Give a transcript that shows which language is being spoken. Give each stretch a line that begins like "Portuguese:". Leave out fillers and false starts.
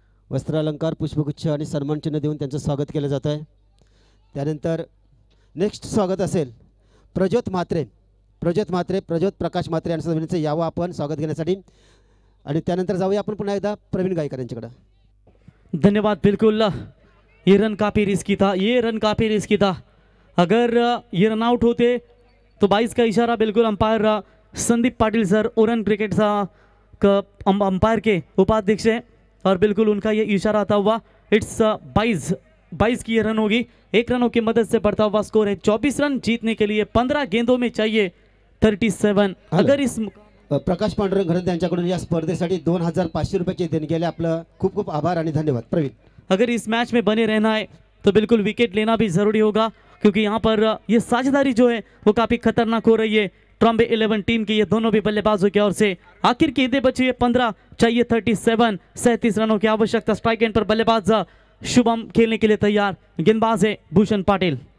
Marathi: वस्त्रालंकार पुष्पगुच्छ आणि सन्मानचिन्ह देऊन त्यांचं स्वागत केलं जात आहे. त्यानंतर नेक्स्ट स्वागत असेल प्रज्योत म्हात्रे, प्रज्योत म्हात्रे, प्रज्योत प्रकाश म्हात्रे यांचं विनंती यावं आपण स्वागत घेण्यासाठी. आणि त्यानंतर जाऊया आपण पुन्हा एकदा प्रवीण गायकर यांच्याकडं. धन्यवाद. बिलकुल.
Hindi: ये रन काफी रिस्की था, ये रन काफी रिस्की था, अगर ये रन आउट होते तो 22 का इशारा बिल्कुल umpire Sandeep Patil sir उरन cricket सा अंपायर के उपाध्यक्ष है और बिल्कुल उनका ये इशारा आता हुआ इट्स 22 की ये रन होगी. एक रनों की मदद से बढ़ता हुआ स्कोर है 24 रन. जीतने के लिए 15 गेंदों में चाहिए 37. अगर इस
Marathi: प्रकाश पांडुरंग घरत यांच्याकडून या स्पर्धेसाठी 2500 रुपयाचे देणगी आले, आपलं खूप खूप आभार आणि धन्यवाद प्रवीण.
Hindi: अगर इस मॅच मे बने रहना है तो बिल्कुल विकेट लेना भी जरूरी होगा क्योंकि यहां पर ये साझेदारी जो है वो काफी खतरनाक हो रही है ट्रॉम्बे 11 टीम की, ये दोनों भी बल्लेबाजों की ओर से. आखिर कितने बचे हैं, 15 चाहिए 37, 37 रनों की आवश्यकता. स्ट्राइक एंड पर बल्लेबाज शुभम खेलने के लिए तैयार, गेंदबाज है भूषण पाटिल.